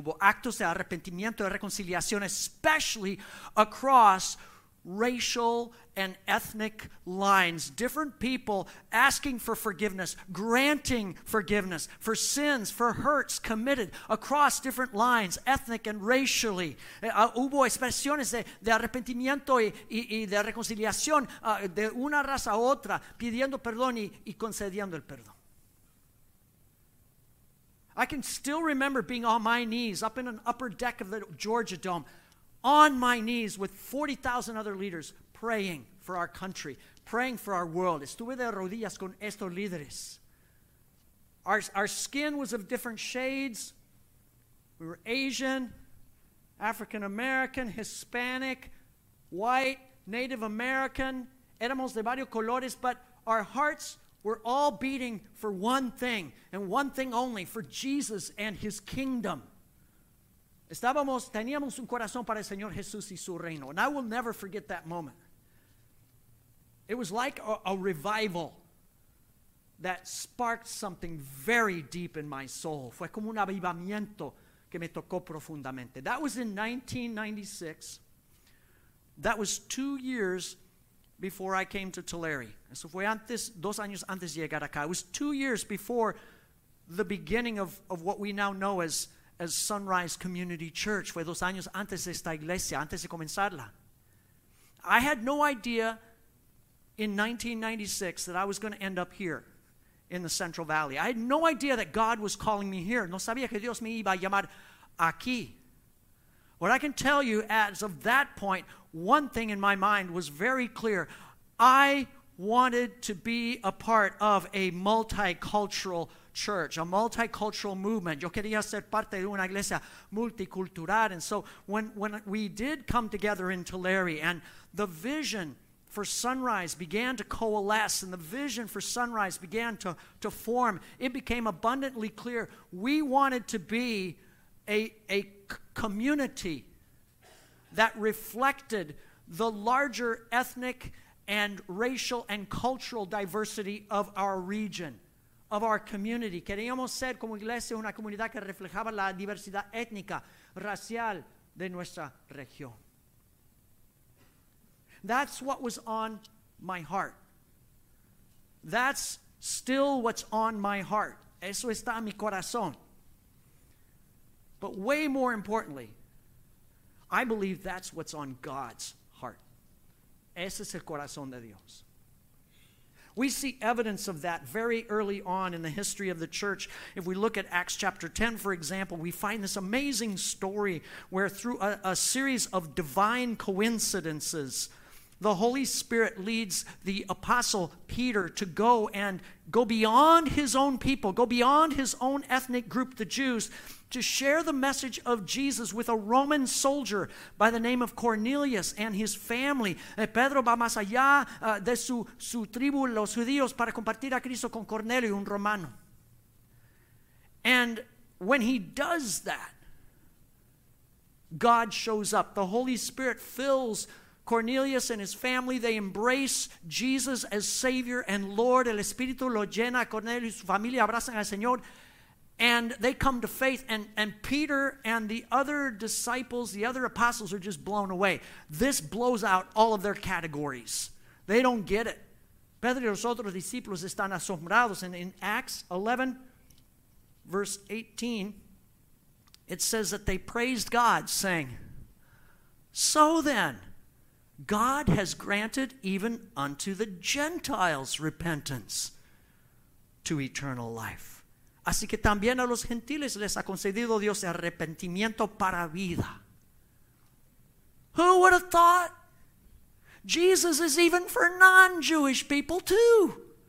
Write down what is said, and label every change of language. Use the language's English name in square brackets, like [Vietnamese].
[Spanish] Hubo actos de arrepentimiento y reconciliación, [English] especially across racial and ethnic lines. Different people asking for forgiveness, granting forgiveness for sins, for hurts committed across different lines, ethnic and racially. [Spanish] Hubo expresiones de arrepentimiento y de reconciliación de una raza a otra, pidiendo perdón y concediendo el perdón. [English] I can still remember being on my knees up in an upper deck of the Georgia Dome, on my knees with 40,000 other leaders praying for our country, praying for our world. [Spanish] Estuve de rodillas con estos líderes. [English] Our skin was of different shades. We were Asian, African American, Hispanic, white, Native American. [Spanish] Éramos de varios colores, [English] but our hearts were all beating for one thing and one thing only, for Jesus and his kingdom. [Spanish] Estábamos, teníamos un corazón para el Señor Jesús y su reino. [English] And I will never forget that moment. It was like a revival that sparked something very deep in my soul. [Spanish] Fue como un avivamiento que me tocó profundamente. [English] That was in 1996. That was 2 years before I came to Tulare. [Spanish] Eso fue antes, 2 años antes de llegar acá. [English] It was 2 years before the beginning of what we now know as Sunrise Community Church. [Spanish] Fue 2 años antes de esta iglesia, antes de comenzarla. [English] I had no idea in 1996 that I was going to end up here in the Central Valley. I had no idea that God was calling me here. [Spanish] No sabía que Dios me iba a llamar aquí. [English] What I can tell you as of that point, one thing in my mind was very clear. I wanted to be a part of a multicultural church, a multicultural movement. [Spanish] Yo quería ser parte de una iglesia multicultural. [English] And so when we did come together in Tulare and the vision for Sunrise began to coalesce and the vision for Sunrise began to form, it became abundantly clear we wanted to be a community that reflected the larger ethnic and racial and cultural diversity of our region, of our community. [Spanish] Queríamos ser como iglesia una comunidad que reflejaba la diversidad étnica, racial de nuestra región. [English] That's what was on my heart. That's still what's on my heart [Spanish] Eso está en mi corazón. [English] But way more importantly, I believe that's what's on God's heart. [Spanish] Ese es el corazón de Dios. [English] We see evidence of that very early on in the history of the church. If we look at Acts chapter 10, for example, we find this amazing story where through a series of divine coincidences, the Holy Spirit leads the apostle Peter to go and go beyond his own people, go beyond his own ethnic group, the Jews, to share the message of Jesus with a Roman soldier by the name of Cornelius and his family. [Spanish] Pedro va más allá de su tribu, los judíos, para compartir a Cristo con Cornelio, un romano. [English] And when he does that, God shows up. The Holy Spirit fills Cornelius and his family. They embrace Jesus as Savior and Lord. [Spanish] El Espíritu lo llena a Cornelio y su familia, abrazan al Señor. [English] And they come to faith, and Peter and the other disciples, the other apostles, are just blown away. This blows out all of their categories. They don't get it. [Spanish] Pedro y los otros discípulos están asombrados. [English] And in Acts 11, verse 18, it says that they praised God, saying, "So then, God has granted even unto the Gentiles repentance to eternal life." [Spanish] Así que también a los gentiles les ha concedido Dios arrepentimiento para vida. [English] Who would have thought? Jesus is even for non-Jewish people too.